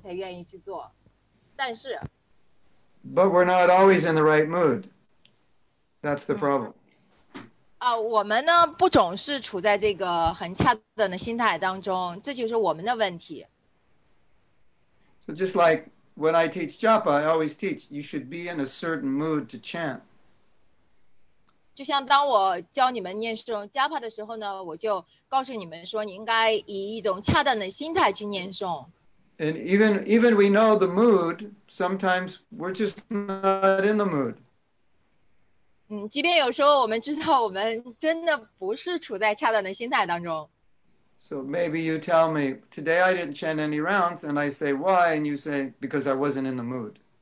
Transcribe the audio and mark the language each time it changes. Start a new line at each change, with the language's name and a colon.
Chinese: 不喜欢做这件事情，只有我等到有这样的心态或者有这样的知觉的时候，我才愿意去做。但是
English: ，But we're not always in the right mood. That's the problem.
Chinese: 我们呢不总是处在这个很恰当的心态当中，这就是我们的问题。So
English: just like when I teach japa, I always teach you should be in a certain mood to chant.
Chinese: 就像当我教你们念诵加帕的时候呢，我就告诉你们说，你应该以一种恰当的心态去念诵。And
English: even we know the mood, sometimes we're just not in the mood.
Chinese: 即便有时候我们知道我们真的不是处在恰当的心态当中。So
English: maybe you tell me, today I didn't chant any rounds, and I say why, and you say, because I wasn't in the mood.